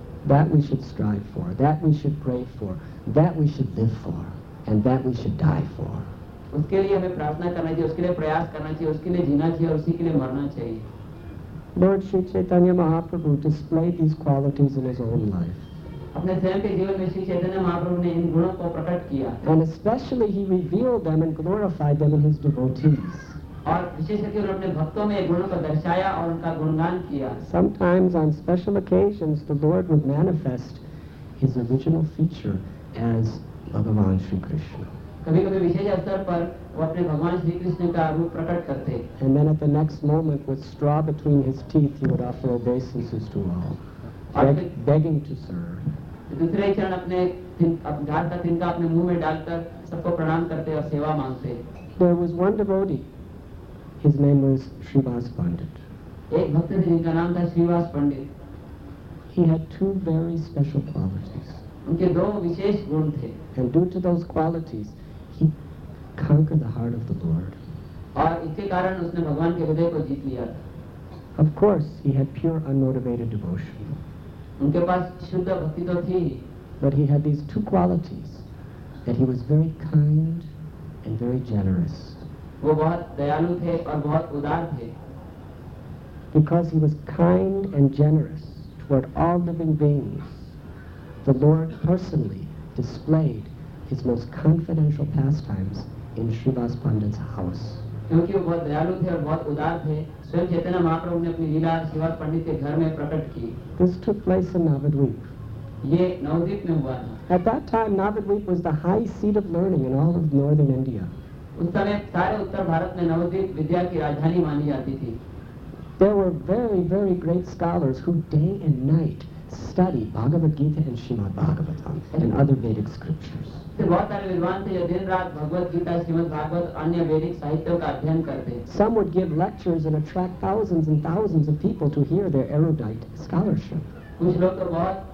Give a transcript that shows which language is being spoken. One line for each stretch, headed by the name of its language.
English: That we should strive for, that we should pray for, that we should live for, and that we should die for.
Hindi: उसके लिए हमें प्रार्थना करना चाहिए, उसके लिए प्रयास करना चाहिए, उसके लिए जीना चाहिए और उसी के लिए मरना चाहिए.
English: Lord Sri Chaitanya Mahaprabhu displayed these qualities in his own life.
Hindi: अपने स्वयं के जीवन में श्री चैतन्य महाप्रभु ने इन गुणों को प्रकट किया.
English: And especially he revealed them and glorified them in his devotees.
Hindi: और विशेषकर उन्होंने भक्तों में गुणों को दर्शाया और उनका गुणगान किया.
English: Sometimes on special occasions the Lord would manifest his original feature as Bhagavan Shri Krishna.
Hindi: कभी कभी विशेष अवसर पर वो अपने भगवान श्री कृष्ण का रूप प्रकट करते.
English: And then at the next moment with straw between his teeth he would offer obeisances to all, begging to serve.
Hindi: दूसरे क्षण अपने घाट का तिनका अपने मुंह में डालकर सबको प्रणाम करते और सेवा मांगते.
English: There was one devotee. His name was Srivas Pandit.
Hindi: एक भक्त थे जिनका नाम था श्रीवास पंडित.
English: He had two very special qualities.
Hindi: उनके दो विशेष गुण थे.
English: And due to those qualities, he conquered the heart of the Lord.
Hindi: और इसके कारण उसने भगवान के हृदय को जीत लिया.
English: Of course, he had pure unmotivated devotion.
Hindi: उनके पास शुद्ध भक्ति तो थी.
English: But he had these two qualities, that he was very kind and very generous.
Hindi: वो बहुत दयालु थे और बहुत उदार थे.
English: Because he was kind and generous toward all living beings, the Lord personally displayed his most confidential pastimes in Srivas Pandit's house.
Hindi: क्योंकि वो बहुत दयालु थे और बहुत उदार थे, स्वयं चैतन्य महाप्रभु ने अपनी लीला श्रीवास पंडित के घर में प्रकट की.
English: This took place in Navadvip.
Hindi: ये नवद्वीप में हुआ था.
English: At that time, Navadvip was the high seat of learning in all of northern India.
Hindi: उस समय सारे उत्तर भारत में नवद्वीप विद्या की राजधानी मानी जाती थी.
English: There were very, very great scholars who day and night studied Bhagavad Gita and Srimad Bhagavatam and other Vedic scriptures. Some would give lectures and attract thousands and thousands of people to hear their erudite scholarship.